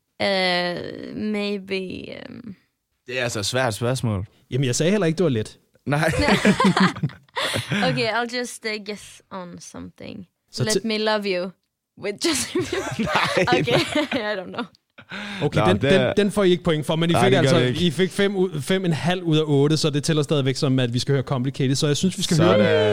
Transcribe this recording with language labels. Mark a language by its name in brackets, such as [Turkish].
[Danish] Det er altså et svært spørgsmål. Jamen, jeg sagde heller ikke, det var let. Nej. [English] Okay, I'll just guess on something. So let me love you. With Justin Bieber. Okay, I don't know. [Danish] Okay, den får I ikke point for, men I fik 5,5 ud af 8, så det tæller stadigvæk som, at vi skal høre Complicated, så jeg synes, vi skal høre